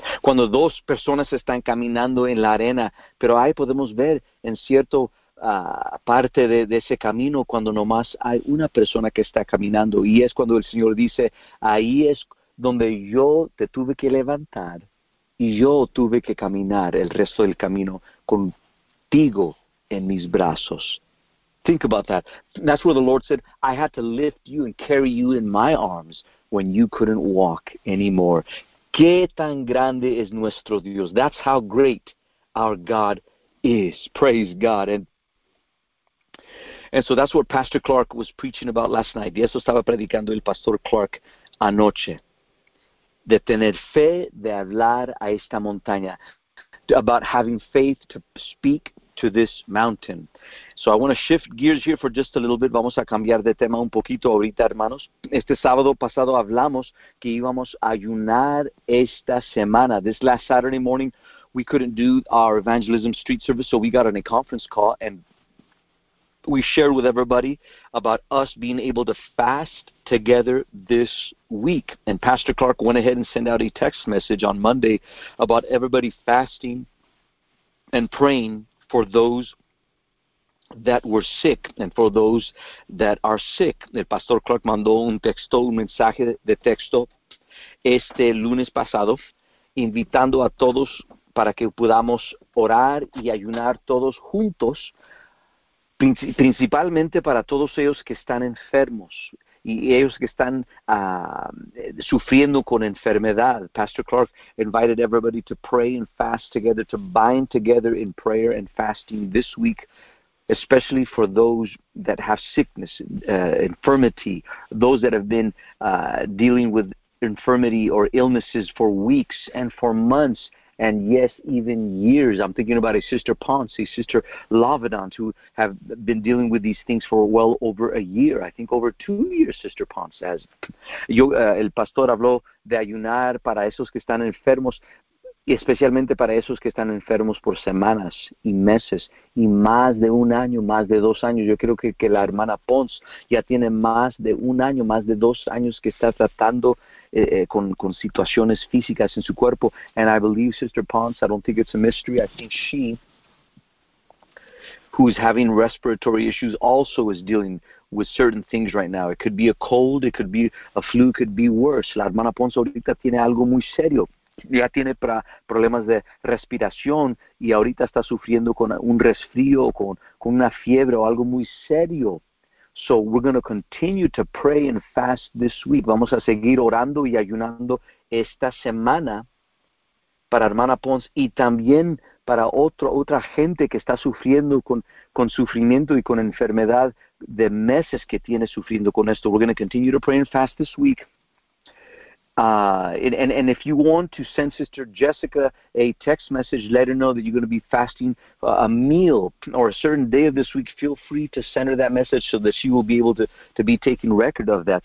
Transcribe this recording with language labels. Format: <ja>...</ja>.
<es>Cuando dos personas están caminando en la arena, pero ahí podemos ver en cierto parte de ese camino cuando nomás hay una persona que está caminando, y es cuando el Señor dice, ahí es donde yo te tuve que levantar y yo tuve que caminar el resto del camino contigo en mis brazos.</es> <en>Think about that. That's where the Lord said, I had to lift you and carry you in my arms when you couldn't walk anymore.</en> <es>¿Qué tan grande es nuestro Dios?</es> <en>That's how great our God is. Praise God. And so that's what Pastor Clark was preaching about last night.</en> <es>Y eso estaba predicando el Pastor Clark anoche. De tener fe, de hablar a esta montaña.</es> <en>About having faith to speak to this mountain. So I want to shift gears here for just a little bit.</en> <es>Vamos a cambiar de tema un poquito ahorita, hermanos. Este sábado pasado hablamos que íbamos a ayunar esta semana.</es> <en>This last Saturday morning, we couldn't do our evangelism street service, so we got on a conference call and we shared with everybody about us being able to fast together this week. And Pastor Clark went ahead and sent out a text message on Monday about everybody fasting and praying for those that were sick and for those that are sick.</en> <es>El Pastor Clark mandó un mensaje de texto este lunes pasado, invitando a todos para que podamos orar y ayunar todos juntos, principalmente para todos ellos que están enfermos y ellos que están sufriendo con enfermedad.</es> <en>Pastor Clark invited everybody to pray and fast together, to bind together in prayer and fasting this week, especially for those that have sickness, infirmity, those that have been dealing with infirmity or illnesses for weeks and for months. And yes, even years. I'm thinking about a Sister Ponce, a Sister Lavedant, who have been dealing with these things for well over a year. I think over 2 years, Sister Ponce has.</en> <es>El pastor habló de ayunar para esos que están enfermos, especialmente para esos que están enfermos por semanas y meses, y más de un año, más de dos años. Yo creo que la hermana Ponce ya tiene más de un año, más de dos años que está tratando con situaciones físicas en su cuerpo.</es> <en>And I believe Sister Ponce, I don't think it's a mystery, I think she, who's having respiratory issues, also is dealing with certain things right now. It could be a cold, it could be a flu, it could be worse.</en> <es>La hermana Ponce ahorita tiene algo muy serio. Ya tiene problemas de respiración y ahorita está sufriendo con un resfrío o con una fiebre o algo muy serio.</es> <en>So we're going to continue to pray and fast this week.</en> <es>Vamos a seguir orando y ayunando esta semana para hermana Ponce y también para otra gente que está sufriendo con sufrimiento y con enfermedad de meses que tiene sufriendo con esto.</es> <en>We're going to continue to pray and fast this week. And if you want to send Sister Jessica a text message, let her know that you're going to be fasting a meal or a certain day of this week, feel free to send her that message so that she will be able to be taking record of that.</en>